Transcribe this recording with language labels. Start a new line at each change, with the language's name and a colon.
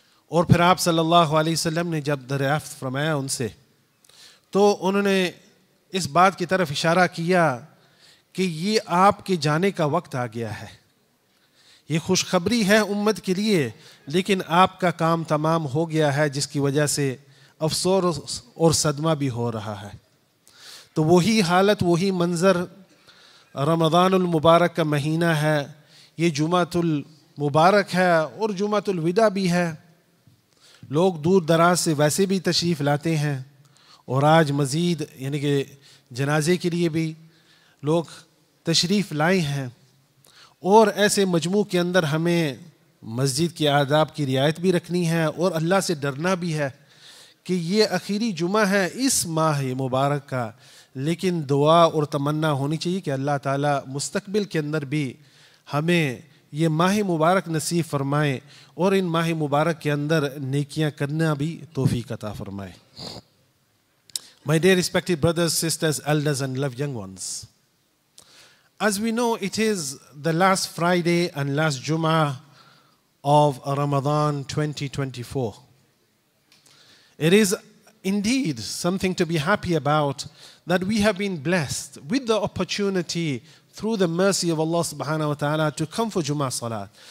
Urdu: اور پھر آپ صلی اللہ علیہ وسلم نے جب دریافت فرمایا ان سے تو انہوں نے اس بات کی طرف اشارہ کیا کہ یہ آپ کے جانے کا وقت آ گیا ہے یہ خوشخبری ہے امت کے لیے لیکن آپ کا کام تمام ہو گیا ہے جس کی وجہ سے افسوس اور صدمہ بھی ہو رہا ہے. تو وہی حالت وہی منظر رمضان المبارک کا مہینہ ہے, یہ جمعۃ المبارک ہے اور جمعۃ الوداع بھی ہے. لوگ دور دراز سے ویسے بھی تشریف لاتے ہیں اور آج مزید یعنی کہ جنازے کے لیے بھی لوگ تشریف لائے ہیں, اور ایسے مجموعے کے اندر ہمیں مسجد کے آداب کی رعایت بھی رکھنی ہے اور اللہ سے ڈرنا بھی ہے کہ یہ آخری جمعہ ہے اس ماہ مبارک کا, لیکن دعا اور تمنا ہونی چاہیے کہ اللہ تعالیٰ مستقبل کے اندر بھی ہمیں یہ ماہ مبارک نصیب فرمائے اور ان ماہ مبارک کے اندر نیکیاں کرنا بھی توفیق عطا فرمائے.
English: My dear respected brothers, sisters, elders and loved young ones, as we know, it is the last Friday and last Jummah of Ramadan 2024. It is indeed something to be happy about that we have been blessed with the opportunity through the mercy of Allah subhanahu wa ta'ala to come for Jummah Salat.